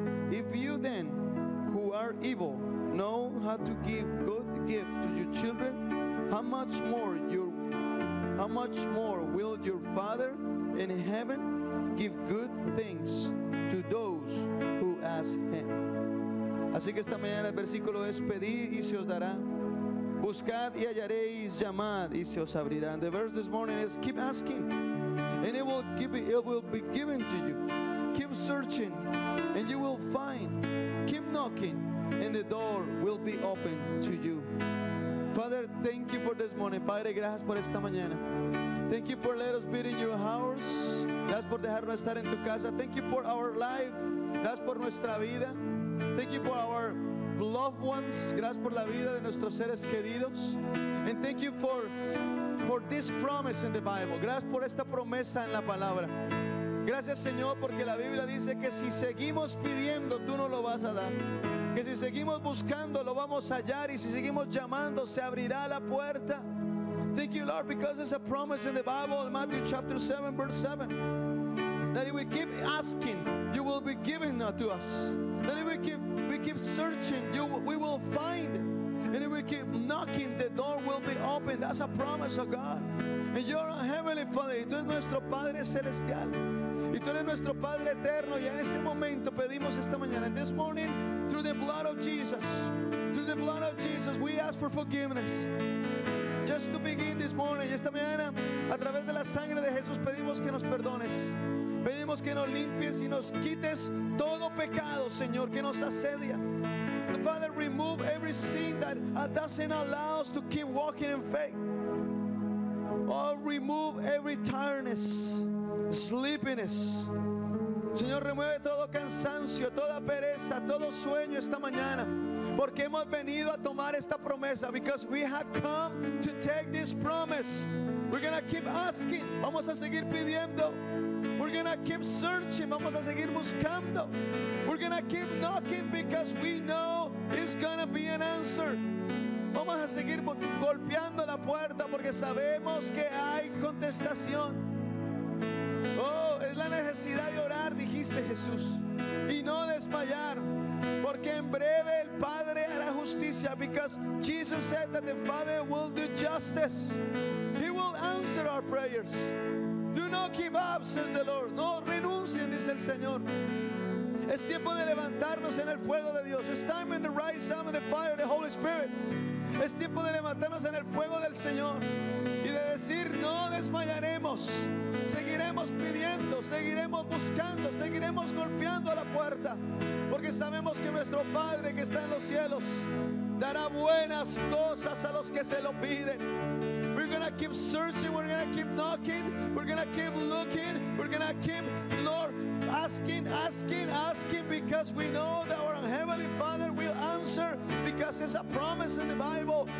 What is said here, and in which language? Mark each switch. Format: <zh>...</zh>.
<en>If you then, who are evil, know how to give good gifts to your children, how much more will your Father in heaven give good things to those who ask him?</en> <es>Así que esta mañana el versículo es: pedid y se os dará. Buscad y hallaréis, llamad y se os abrirá.</es> <en>And the verse this morning is: keep asking and it will be given to you. Keep searching and you will find. Keep knocking and the door will be opened to you. Father, thank you for this morning.</en> <es>Padre, gracias por esta mañana.</es> <en>Thank you for letting us be in your house.</en> <es>Gracias por dejarnos estar en tu casa.</es> <en>Thank you for our life.</en> <es>Gracias por nuestra vida.</es> <en>Thank you for our loved ones.</en> <es>Gracias por la vida de nuestros seres queridos.</es> <en>And thank you for this promise in the Bible.</en> <es>Gracias por esta promesa en la palabra. Gracias, Señor, porque la Biblia dice que si seguimos pidiendo, tú no lo vas a dar. Que si seguimos buscando, lo vamos a hallar. Y si seguimos llamando, se abrirá la puerta.</es> <en>Thank you, Lord, because it's a promise in the Bible, Matthew chapter 7, verse 7. That if we keep asking, you will be given to us. That if we keep searching, we will find. And if we keep knocking, the door will be opened. That's a promise of God. And you're a heavenly Father.</en> <es>Y tú eres nuestro Padre celestial. Y tú eres nuestro Padre eterno. Y en ese momento pedimos esta mañana.</es> <en>This morning, through the blood of Jesus, through the blood of Jesus, we ask for forgiveness. Just to begin this morning,</en> <es>esta mañana, a través de la sangre de Jesús, pedimos que nos perdones. Pedimos que nos limpies y nos quites todo pecado, Señor, que nos asedia.</es> <en>Father, remove every sin that doesn't allow us to keep walking in faith. Oh, remove every tiredness, sleepiness.</en> <es>Señor, remueve todo cansancio, toda pereza, todo sueño esta mañana. Porque hemos venido a tomar esta promesa.</es> <en>Because we have come to take this promise. We're going to keep asking.</en> <es>Vamos a seguir pidiendo.</es> <en>We're going to keep searching.</en> <es>Vamos a seguir buscando.</es> <en>We're going to keep knocking because we know it's going to be an answer.</en> <es>Vamos a seguir golpeando la puerta porque sabemos que hay contestación. Oh, es la necesidad de orar, dijiste Jesús, y no desmayar, porque en breve el Padre hará justicia.</es> <en>Because Jesus said that the Father will do justice. He will answer our prayers. Do not give up, says the Lord.</en> <es>No renuncien, dice el Señor. Es tiempo de levantarnos en el fuego de Dios.</es> <en>It's time to rise up in the fire of the Holy Spirit.</en> <es>Es tiempo de levantarnos en el fuego del Señor y de decir, no desmayaremos. Seguiremos pidiendo, seguiremos buscando, seguiremos golpeando la puerta, porque sabemos que nuestro Padre que está en los cielos dará buenas cosas a los que se lo piden.</es> <en>We're gonna keep searching, we're gonna keep knocking, we're gonna keep looking, we're gonna keep, Lord, asking, asking, asking, because we know that our Heavenly Father will answer, because it's a promise in the Bible.</en>